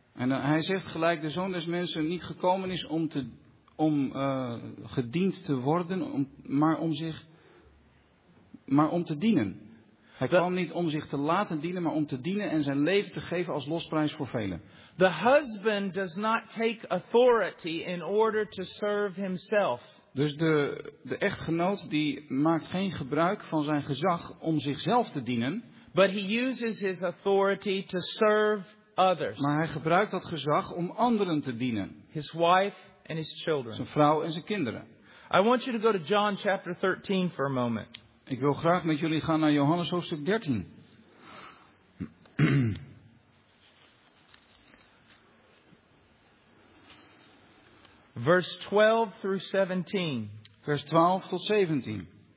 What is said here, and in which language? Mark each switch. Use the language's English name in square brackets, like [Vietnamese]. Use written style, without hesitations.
[Dutch] En hij zegt gelijk, de Zoon des Mensen niet gekomen is om gediend te worden, maar om te dienen. Hij kwam niet om zich te laten dienen, maar om te dienen en zijn leven te geven als losprijs voor velen. [English] The husband does not take authority in order to serve himself. [Dutch] Dus de echtgenoot die maakt geen gebruik van zijn gezag om zichzelf te dienen. [English] But he uses his authority to serve others. [Dutch] Maar hij gebruikt dat gezag om anderen te dienen. [English] His wife and his children. [Dutch] Zijn vrouw en zijn kinderen. [English] I want you to go to John chapter 13 for a moment. [Dutch] Ik wil graag met jullie gaan naar Johannes hoofdstuk 13. [English] Verse 12 through 17. [Dutch] Vers 12 tot 17.